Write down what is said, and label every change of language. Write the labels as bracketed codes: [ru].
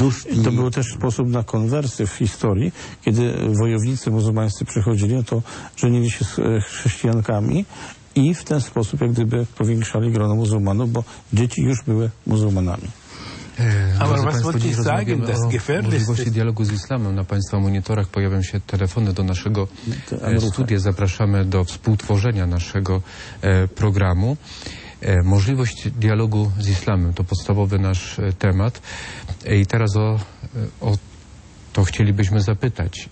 [pl] I to był też sposób na konwersję w historii, kiedy wojownicy muzułmańscy przychodzili, no to żenili się z chrześcijankami i w ten sposób jak gdyby powiększali grono muzułmanów, bo dzieci już były muzułmanami. [de] Aber was wollte ich sagen, das Gefährlichste... [pl] Możliwości dialogu z islamem. Na Państwa monitorach pojawią się telefony do naszego studia. Zapraszamy do współtworzenia naszego programu. Możliwość dialogu z islamem to podstawowy nasz temat. I teraz o to chcielibyśmy zapytać.